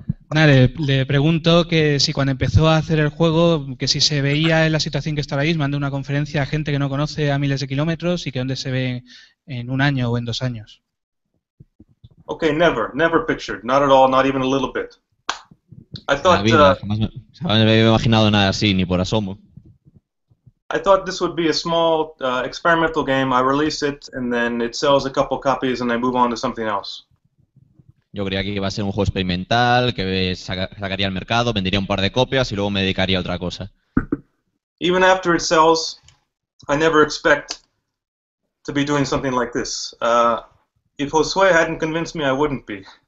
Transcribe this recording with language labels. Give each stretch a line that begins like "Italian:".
Spanish: Nada, le pregunto que si cuando empezó a hacer el juego, que si se veía en la situación que está ahí, mandó una conferencia a gente que no conoce a miles de kilómetros y que dónde se ve en un año o en dos años.
English: Okay, never pictured, not at all, not even a little bit. I thought.
Spanish: Jamás me había imaginado nada así, ni por asomo.
English: I thought this would be a small experimental game. I release it and then it sells a couple copies and I move on to something else.
Spanish: Yo creía que iba a ser un juego experimental, que sacaría al mercado, vendería un par de copias y luego me dedicaría a otra cosa.
English: Even after it sells, I never expect to be doing something like this. If Josué hadn't convinced me, I wouldn't be.